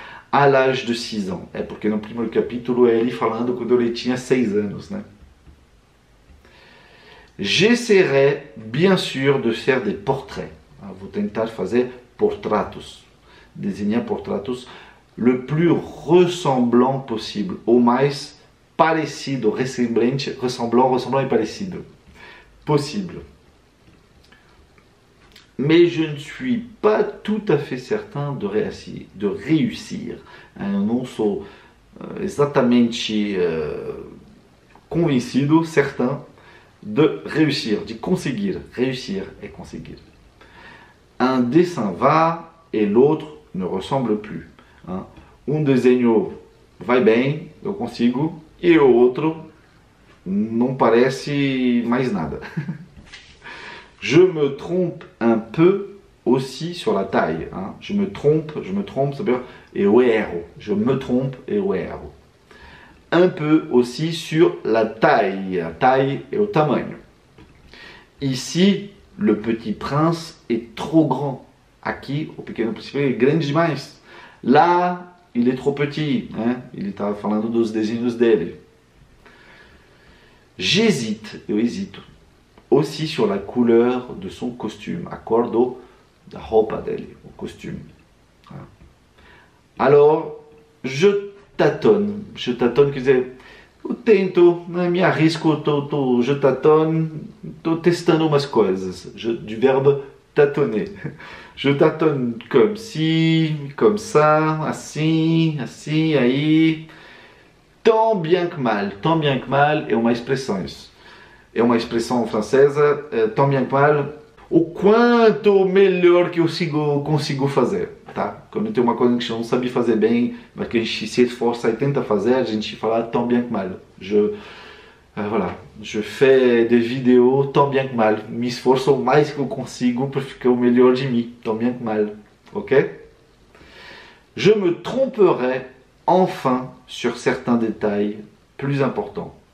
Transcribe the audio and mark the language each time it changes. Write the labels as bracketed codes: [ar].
[fr] À l'âge de 6 ans. [pt] É porque no primeiro capítulo é ele falando quando ele tinha 6 anos, né? [fr] J'essaierai bien sûr de faire des portraits. [pt] Vou tentar fazer portratos. Desenhar portratos [fr] le plus ressemblant possible. [pt] Ou mais parecido, ressemblante, ressemblant e parecido. Possible. [fr] Mais je ne suis pas tout à fait certain de réussir. [pt] Eu não sou exatamente convencido, certain. De réussir, de conseguir. Réussir et conseguir. [fr] Un dessin va et l'autre ne ressemble plus. Hein? [pt] Un desenho vai bem, eu consigo, e o outro não parece mais nada. [fr] Je me trompe un peu aussi sur la taille. Hein? Je me trompe, ça veut dire [pt] eu erro. [fr] Je me trompe et eu erro. Un peu aussi sur la taille. La taille et le tamanho. Ici, le petit prince est trop grand. [pt] Aqui, o pequeno príncipe é grande demais. [fr] Là, il est trop petit, [pt] né? Ele estava falando dos desenhos dele. [fr] J'hésite, [pt] eu hésito, [fr] aussi sur la couleur de son costume, [pt] a cor da roupa dele, o costume. [fr] Alors, je tâtonne, [pt] quer dizer. Eu tento, né, me arrisco, [fr] je tâtonne, [pt] estou testando umas coisas. [fr] Du verbo tâtonner. Je tâtonne comme si, comme ça, [pt] assim, assim, aí. Tant bien que mal é uma expressão isso. É uma expressão francesa, [fr] tant bien que mal. [pt] o quanto melhor que eu consigo fazer, tá? Quando tem uma coisa que a gente não sabe fazer bem, mas que a gente se esforça e tenta fazer, a gente fala tão bem que mal. [fr] Voilà, je fais des vidéos tant bien que mal. [pt] Me esforço o mais que eu consigo para ficar o melhor de mim, [fr] tant bien que mal. [pt] Ok? [fr] Je me tromperai enfin sur certains détails plus importants.